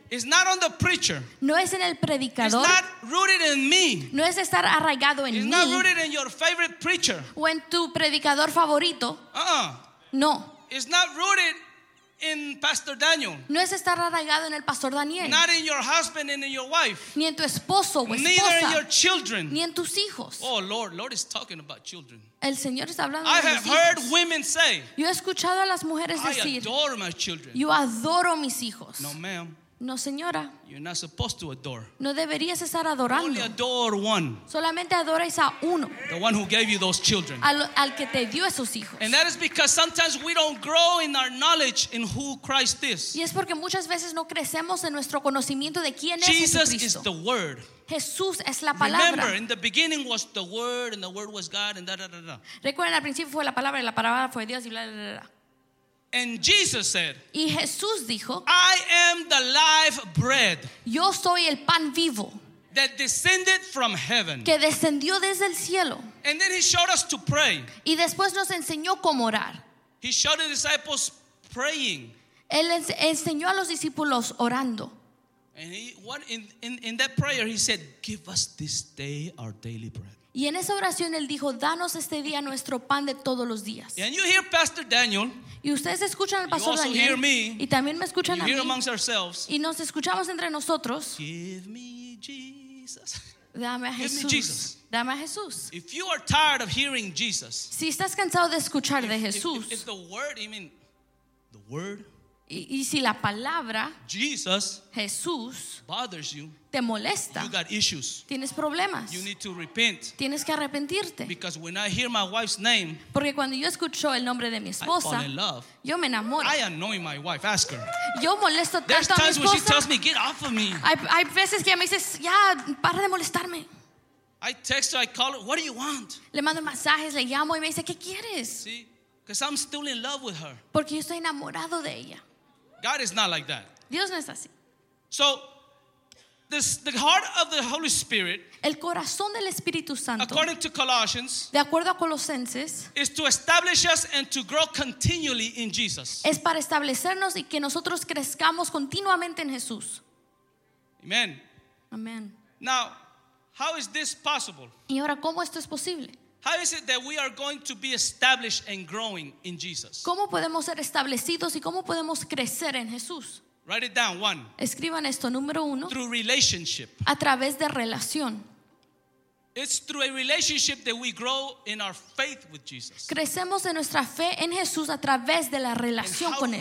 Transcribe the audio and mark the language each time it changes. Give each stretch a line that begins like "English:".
English: It's not on the preacher.
Spanish: No es en el predicador.
English: It's not rooted in me.
Spanish: No es estar arraigado en
English: It's
Spanish: mí.
English: Not rooted in your favorite preacher.
Spanish: O en tu predicador favorito. No.
English: It's not rooted in Pastor Daniel.
Spanish: No es estar arraigado en el Pastor Daniel.
English: Not in your husband and in your wife.
Spanish: Ni en tu esposo o esposa.
English: Neither in your children.
Spanish: Ni en tus hijos.
English: Oh Lord, Lord is talking about children.
Spanish: El Señor está hablando
English: I
Spanish: de
English: have
Spanish: hijos.
English: Heard women say.
Spanish: Yo he escuchado a las mujeres decir.
English: I adore my children.
Spanish: Yo adoro mis hijos.
English: No ma'am.
Spanish: No señora.
English: You're not supposed to adore.
Spanish: No deberías estar adorando.
English: Only adore one.
Spanish: Solamente adoráis a uno.
English: The one who gave you those children.
Spanish: Al que te dio esos hijos.
English: And that is because sometimes we don't grow in our knowledge in who Christ is.
Spanish: Y es porque muchas veces no crecemos en nuestro conocimiento de quién es
English: Jesucristo. Jesus is the word.
Spanish: Jesús es la palabra.
English: Remember, in the beginning was the word and the word was God and da da da.
Spanish: Recuerden, al principio fue la palabra fue Dios y bla bla bla.
English: And Jesus said,
Spanish: y Jesús dijo,
English: I am the live bread.
Spanish: Yo soy el pan vivo.
English: That descended from heaven.
Spanish: Que descendió desde el cielo.
English: And then he showed us to pray.
Spanish: Y después nos enseñó cómo orar.
English: He showed the disciples praying.
Spanish: Él enseñó a los discípulos orando.
English: And in that prayer he said, give us this day our daily bread.
Spanish: Y en esa oración él dijo, danos este día nuestro pan de todos los días.
English: And you hear Pastor Daniel,
Spanish: y ustedes escuchan al Pastor
English: you also
Spanish: Daniel
English: hear me,
Spanish: y también me escuchan
English: you
Spanish: a
English: hear
Spanish: mí
English: amongst ourselves,
Spanish: y nos escuchamos entre nosotros.
English: Give me Jesus.
Spanish: Dame a Jesús.
English: Give me Jesus.
Spanish: Dame a Jesús.
English: If you are tired of hearing Jesus,
Spanish: si estás cansado de escuchar de Jesús,
English: if the word, I mean, the word,
Spanish: y si la palabra
English: Jesus,
Spanish: Jesús
English: bothers you,
Spanish: te molesta,
English: you got issues.
Spanish: Tienes problemas.
English: You need to repent.
Spanish: Tienes que arrepentirte.
English: Because when I hear my wife's name,
Spanish: porque cuando yo escucho el nombre de mi esposa,
English: I fall in love.
Spanish: Yo me enamoro.
English: I annoy my wife. Ask her.
Spanish: Yo molesto tanto a mi esposa.
English: There's times when she tells me, "Get off of me."
Spanish: Hay veces que me dices, "Ya, para de molestarme."
English: I text her, I call her, "What do you want?"
Spanish: Le mando mensajes, le llamo y me dice, "¿Qué quieres?"
English: See, because I'm still in love with her.
Spanish: Porque yo estoy enamorado de ella.
English: God is not like that.
Spanish: Dios no es así.
English: So the heart of the Holy Spirit,
Spanish: el corazón del Espíritu Santo,
English: according to Colossians,
Spanish: de acuerdo a Colosenses,
English: is to establish us and to grow continually in Jesus.
Spanish: Es para establecernos y que nosotros crezcamos continuamente en Jesús.
English: Amen.
Spanish: Amen.
English: Now, how is this possible?
Spanish: ¿Y ahora cómo esto es posible?
English: How is it that we are going to be established and growing in Jesus?
Spanish: ¿Cómo podemos ser establecidos y cómo podemos crecer en Jesús?
English: Write it down. One.
Spanish: Escriban esto. Número uno.
English: Through relationship.
Spanish: A través de relación.
English: It's through a relationship that we grow in our faith with Jesus.
Spanish: Crecemos en nuestra fe en Jesús a través de la relación con él.